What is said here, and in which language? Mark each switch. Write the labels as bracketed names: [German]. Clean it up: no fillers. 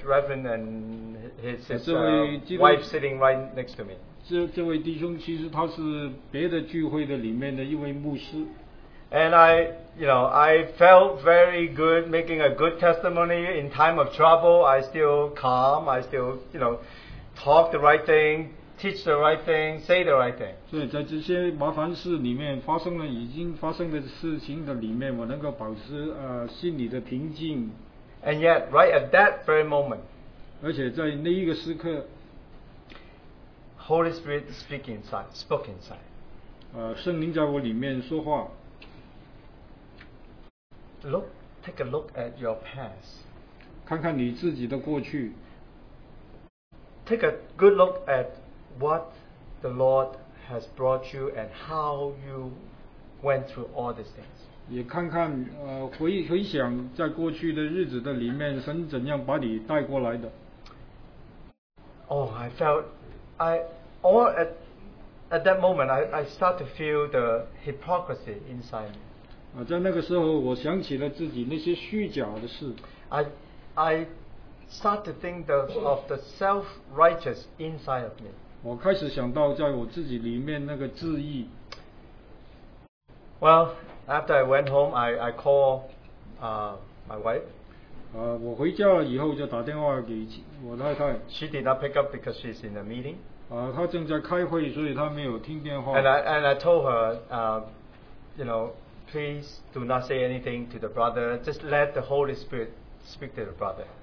[English] Reverend and his wife sitting right next to me. [Chinese] 这位弟兄其实他是别的聚会的里面的一位牧师。 [English] And I felt very good making a good testimony in time of trouble. I still calm. I still, you know, talk the right thing. Teach the right thing, say the right thing. [Chinese] 对，在这些麻烦事里面发生了已经发生的事情的里面，我能够保持心里的平静。 [English] And yet, right at that very moment, [Chinese] 而且在那一个时刻, [English] Holy Spirit spoke inside. [Chinese] 圣灵在我里面说话。 [English] Look, take a look at your past. [Chinese] 看看你自己的过去。 [English] Take a good look at what the Lord has brought you and how you went through all these things. [Chinese] 也看看回想在过去的日子的里面神怎样把你带过来的。 [English] Oh, I felt at that moment I start to feel the hypocrisy inside me. [Chinese] 在那个时候我想起了自己那些虚假的事。 [English] I start to think of the self-righteous inside of me. [Chinese] 我开始想到在我自己里面那个质疑。 [English] Well, after I went home, I called my wife. [Chinese] 我回家了以后就打电话给我太太。 [English] She did not pick up because she's in a meeting. [Chinese] 她正在开会，所以她没有听电话。 [English] And I told her, you know, please do not say anything to the brother. Just let the Holy Spirit speak to the brother.